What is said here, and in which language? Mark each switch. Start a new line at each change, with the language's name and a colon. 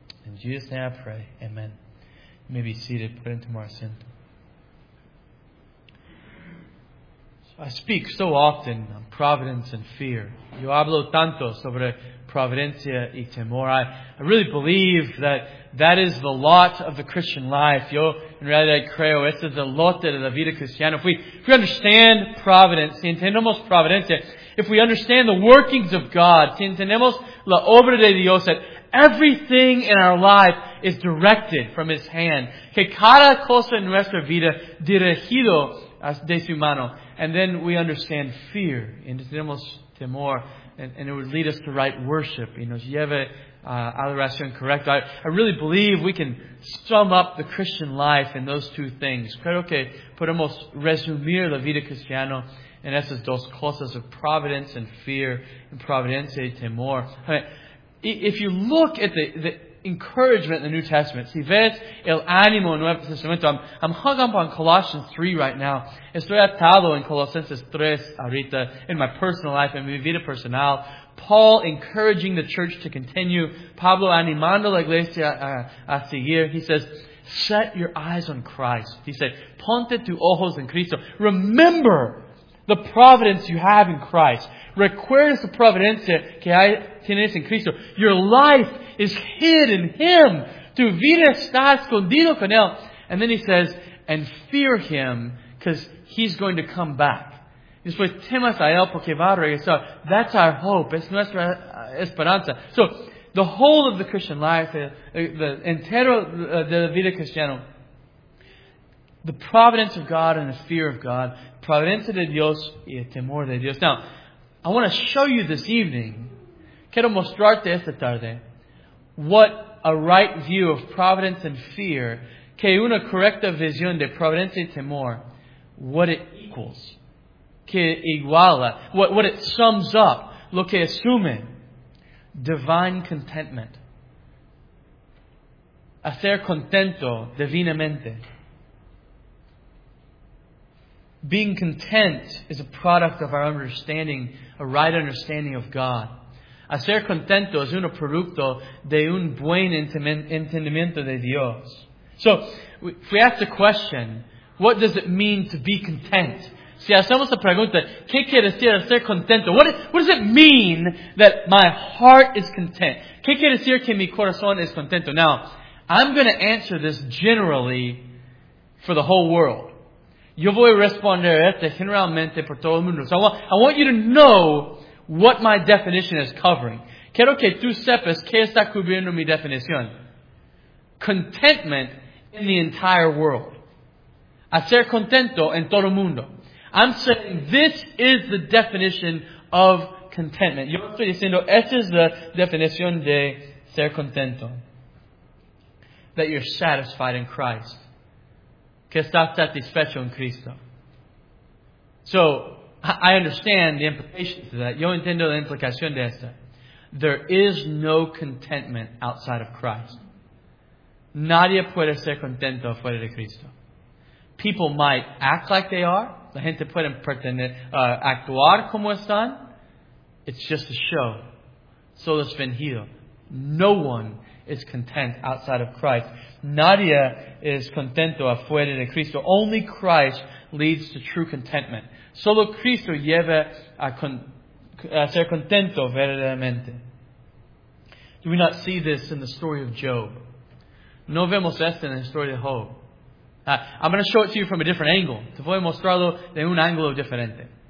English: In Jesus' name I pray. Amen. You may be seated. Put into more sin. So I speak so often on providence and fear.
Spanish: Yo hablo tanto sobre providencia y temor.
English: I really believe that is the lot of the Christian life.
Spanish: Yo en realidad creo esto es el lote de la vida cristiana.
English: If we understand providence,
Spanish: si entendemos providencia,
English: if we understand the workings of God,
Spanish: si entendemos la obra de Dios,
English: that everything in our life is directed from His hand.
Spanish: Que cada cosa en nuestra vida dirigido de su mano.
English: And then we understand fear.
Spanish: Entendemos temor.
English: And it would lead us to right worship.
Spanish: Y nos lleve a adoración correcta.
English: I really believe we can sum up the Christian life in those two things.
Spanish: Creo que podemos resumir la vida cristiana en esas dos cosas
English: of providence and fear. And
Spanish: providencia y temor.
English: If you look at the encouragement in the New Testament,
Spanish: si ves el ánimo en Nuevo Testamento,
English: I'm hung up on Colossians 3 right now.
Spanish: Estoy atado en Colosenses 3 ahorita,
English: in my personal life,
Spanish: en mi vida personal.
English: Paul encouraging the church to continue.
Spanish: Pablo animando la iglesia a seguir.
English: He says, set your eyes on Christ. He said,
Spanish: ponte tus ojos en Cristo.
English: Remember the providence you have in Christ.
Spanish: Recuerda su providencia que hay tienes en Cristo.
English: Your life is hid in Him.
Spanish: Tu vida está escondido con Él.
English: And then he says, and fear Him because He's going to come back.
Spanish: Después temas a Él porque va a regresar.
English: That's our hope.
Spanish: Es nuestra esperanza.
English: So the whole of the Christian life, the
Spanish: entero de la vida cristiana,
English: the providence of God and the fear of God,
Spanish: providencia de Dios y el temor de Dios.
English: Now, I want to show you this evening,
Spanish: quiero mostrarte esta tarde,
English: what a right view of providence and fear,
Spanish: que una correcta visión de providencia y temor,
English: what it equals,
Spanish: que iguala,
English: what it sums up,
Spanish: lo que asume.
English: divine contentment.
Spanish: Hacer contento divinamente.
English: Being content is a product of our understanding, a right understanding of God.
Spanish: Hacer contento es un producto de un buen entendimiento de Dios.
English: So, if we ask the question, what does it mean to be content?
Spanish: Si hacemos la pregunta, ¿qué quiere decir ser contento?
English: What does it mean that my heart is content?
Spanish: ¿Qué quiere decir que mi corazón es contento?
English: Now, I'm going to answer this generally for the whole world.
Spanish: Yo voy a responder esto generalmente por todo el mundo.
English: So I want you to know what my definition is covering.
Spanish: Quiero que tú sepas qué está cubriendo mi definición.
English: Contentment in the entire world.
Spanish: Hacer contento en todo el mundo.
English: I'm saying this is the definition of contentment.
Spanish: Yo estoy diciendo, esta es la definición de ser contento.
English: That you're satisfied in Christ.
Spanish: Que estás satisfecho en Cristo.
English: So, I understand the implications of that.
Spanish: Yo entiendo la implicación de esta.
English: There is no contentment outside of Christ.
Spanish: Nadie puede ser contento fuera de Cristo.
English: People might act like they are.
Spanish: La gente puede actuar como están.
English: It's just a show.
Spanish: Solo es fingido.
English: No one is content outside of Christ.
Spanish: Nadie es contento afuera de Cristo.
English: Only Christ leads to true contentment.
Spanish: Solo Cristo lleva a ser contento verdaderamente.
English: Do we not see this in the story of Job?
Spanish: No vemos esto en la historia de Job.
English: I'm going to show it to you from a different angle.
Spanish: Te voy a mostrarlo de un ángulo diferente.